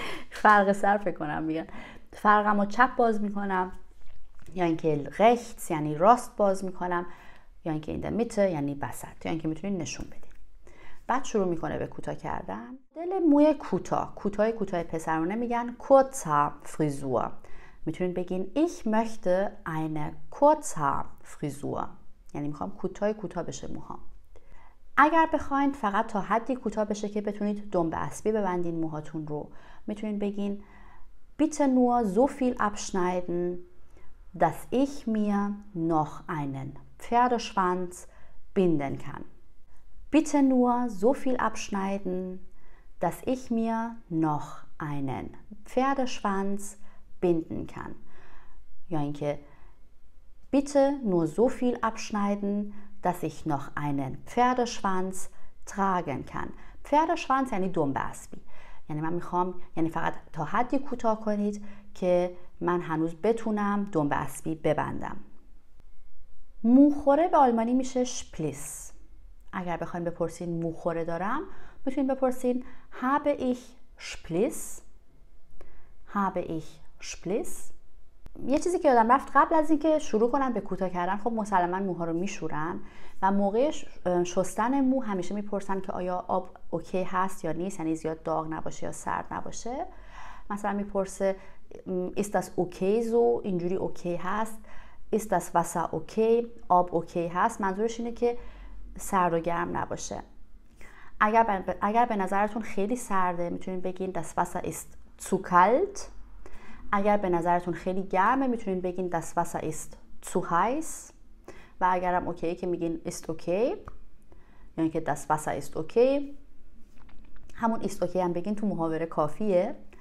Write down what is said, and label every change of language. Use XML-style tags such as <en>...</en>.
<fa>فرق سر فکر کنم میگن، فرقمو چپ باز میکنم، یا اینکه rechts یعنی راست باز میکنم، یا اینکه</fa> <en>in the middle</en> <fa>یعنی وسط، یا اینکه میتونین نشون بدین. بعد شروع میکنه به کوتاه کردن. مدل موی کوتاه، کوتاه کوتاه پسرانه میگن</fa> <de>kurzer Frisur.</de> <fa>میتونین بگین</fa> <de>Ich möchte eine kurzer Frisur.</de> <fa>یعنی میخوام کوتاه کوتاه بشه موهام. اگر بخواین فقط تا حدی کوتاه بشه که بتونید دنبه اسبی ببندین موهاتون رو، میتونین بگین</fa> <de>Bitte nur so viel abschneiden, dass ich mir noch einen Pferdeschwanz binden kann. Bitte nur so viel abschneiden, dass ich mir noch einen Pferdeschwanz binden kann. Bitte nur so viel abschneiden, dass ich noch einen Pferdeschwanz tragen kann.</de> <fa>Pferdeschwanz یعنی دنبه اسبی. یعنی من میخوام یعنی فقط تا حدی کوتاه کنید که من هنوز بتونم دنبه اسبی ببندم. موخوره به آلمانی میشه شپلیس. اگر بخواید بپرسین موخوره دارم، میتونید بپرسین</fa> <de>habe ich Spliss? Habe ich Spliss?</de> <fa>یه چیزی که یادم رفت قبل از اینکه شروع کنم به کوتاه کردن، خب مسلما موها رو میشورن و موقع شستن مو همیشه میپرسن که آیا آب اوکی هست یا نیست، یعنی زیاد داغ نباشه یا سرد نباشه. مثلا میپرسه</fa> <de>ist das okay so،</de> <fa>اینجوری اوکی هست.</fa> <de>ist das Wasser okay،</de> <fa>آب اوکی هست. منظورش اینه که سرد و گرم نباشه. اگر به نظرتون خیلی سرده میتونید بگین</fa> <de>das Wasser ist zu kalt.</de> <fa>اگر به نظرتون خیلی گرمه میتونین بگین</fa> <de>das Wasser ist zu heiß.</de> <fa>و اگر هم اوکیه که میگین</fa> <de>ist okay،</de> <fa>یعنی که</fa> <de>das Wasser ist okay،</de> <fa>همون ist okay هم بگین تو محاوره کافیه.</fa>